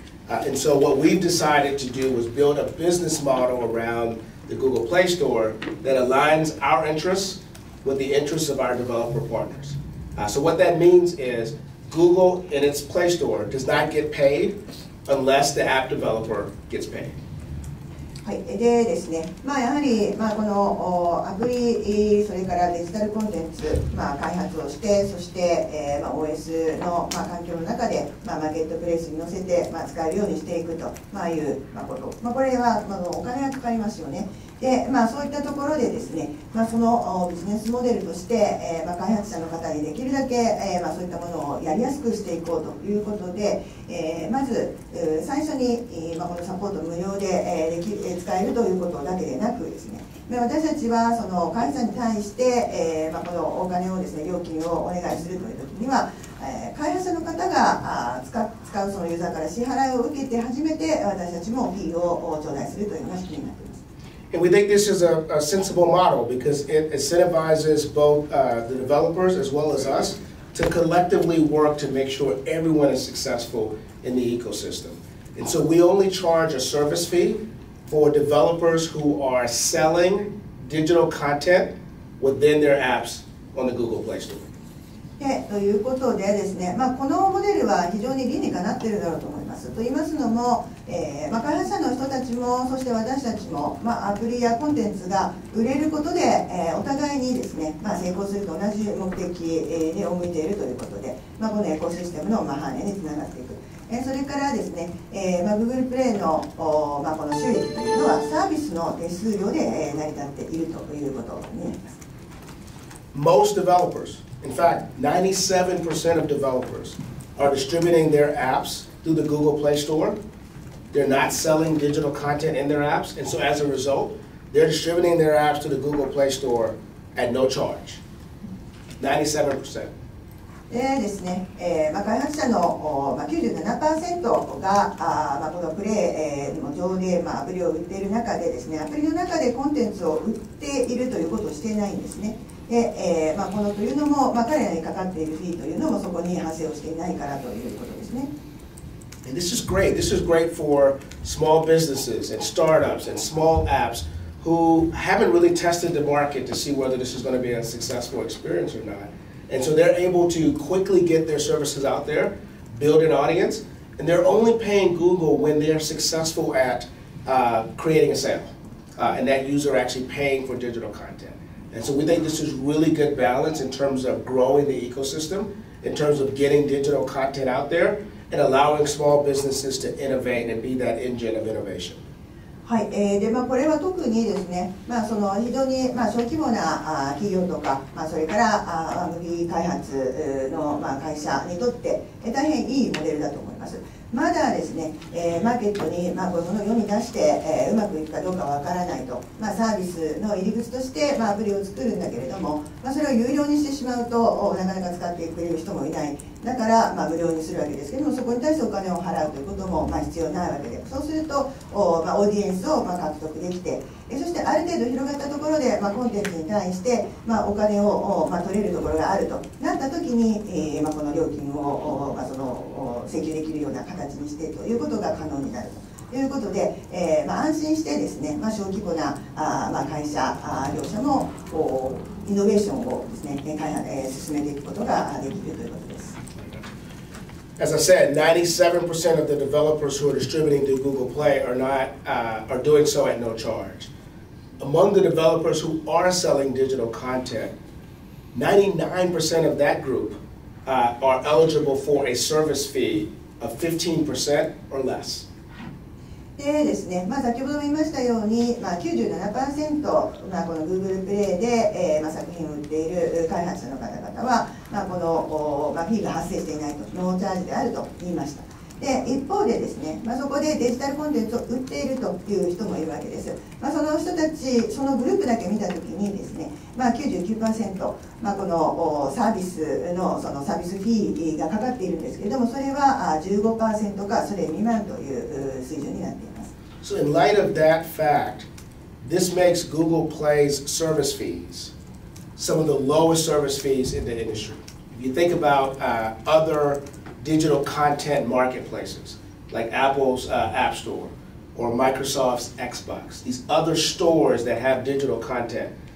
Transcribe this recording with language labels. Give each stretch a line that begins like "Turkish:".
English: And so what we've decided to do was build a business model around the Google Play Store that aligns our interests with the interests of our developer partners. So what that means is Google in its Play Store does not get paid unless the app developer gets paid.
Japanese: はい、でですね、まあ、やはり、まあ、このアプリ、それからデジタルコンテンツ、まあ、開発をして、そして、まあ、OS の、まあ、環境の中で、まあ、マーケットプレイスに乗せて、まあ、使えるようにしていくと、まあ、いう、まあ、こと、まあ、これは、まあ、お金がかかりますよね。で、まあ、そういったところでですね、まあ、そのビジネスモデルとして、まあ、開発者の方にできるだけ、まあ、そういったものをやりやすくしていこうということで、まず、最初に、まあ、このサポート無料で、できる、使えるということだけでなくですね、まあ、私たちはその会社に対して、まあ、このお金をですね、料金をお願いするというときには、開発者の方が使うそのユーザーから支払いを受けて初めて私たちもフィーを頂戴するというのが仕組みになっています。
English: And we think this is a sensible model because it incentivizes both the developers as well as us to collectively work to make sure everyone is successful in the ecosystem. And so we only charge a service fee for developers who are selling digital content within their apps on the Google Play Store.
Japanese: ということでですね、まあ、このモデルは非常に理にかなっているだろうと思います。と言いますのも、まあ、開発者の人たちもそして私たちも、まあ、アプリやコンテンツが売れることで、お互いにですね、まあ、成功すると同じ目的に向いているということで、まあ、このエコシステムの繁栄につながっていく、それからですね、まあ、Google Play の、まあ、この収益というのはサービスの手数料で成り立っているということになります。
English: Most developers, in fact 97% of developers are distributing their appsthrough the Google Play Store. They're not selling digital content in their apps, and so as a result, they're distributing their apps to the Google Play Store at no charge. 97%.
Japanese: でですね、まあ、開発者の、まあ、97% が、まあ、このプレイ、上で、まあ、アプリを売っている中でですね、アプリの中でコンテンツを売っているということをしていないんですね。で、まあ、このというのも、まあ、彼らにかかっているフィーというのもそこに発生をしていないからということですね。
English: And this is great. This is great for small businesses and startups and small apps who haven't really tested the market to see whether this is going to be a successful experience or not. And so they're able to quickly get their services out there, build an audience, and they're only paying Google when they're successful at creating a sale, and that user actually paying for digital content. And so we think this is really good balance in terms of growing the ecosystem, in terms of getting digital content out there,and allowing small businesses to innovate and be that engine of innovation.
Japanese: はい、で、まあ、これは特にですね、まあ、その非常に、まあ、小規模な企業とか、まあ、それからアプリ開発の、まあ、会社にとって大変いいモデルだと思います。まだですね、マーケットに、まあ、この世に出して、うまくいくかどうかわからないと、まあ、サービスの入り口として、まあ、アプリを作るんだけれども、まあ、それを有料にしてしまうとなかなか使ってくれる人もいない。だから、まあ、無料にするわけですけども、そこに対してお金を払うということも、まあ、必要ないわけで、そうすると、まあ、オーディエンスを、まあ、獲得できて、そしてある程度広がったところで、まあ、コンテンツに対して、まあ、お金を、まあ、取れるところがあるとなった時に、まあ、この料金を、まあ、その請求できるような形にしてということが可能になるということで、まあ、安心してですね、まあ、小規模な、まあ、会社業者のイノベーションをですね、開発、進めていくことができるということです。
English: As I said, 97% of the developers who are distributing through Google Play are not, are doing so at no charge. Among the developers who are selling digital content, 99% of that group, are eligible for a service fee of 15% or less.
Japanese: でですね、まあ、先ほども言いましたように、まあ、97%、まあ、この Google Play で、まあ、作品を売っている開発者の方々は、まあ、この、まあ、フィーが発生していないと、ノーチャージであると言いました。で、一方でですね、まあ、そこでデジタルコンテンツを売っているという人もいるわけです。まあ、その人たち、そのグループだけ見たときにですね、まあ、99%、まあ、このサービスの、そのサービスフィーがかかっているんですけれども、それは 15% かそれ未満という水準になっています。
English: So in light of that fact, this makes Google Play's service fees some of the lowest service fees in the industry. If you think about other digital content marketplaces, like Apple's App Store or Microsoft's Xbox, these other stores that have digital content.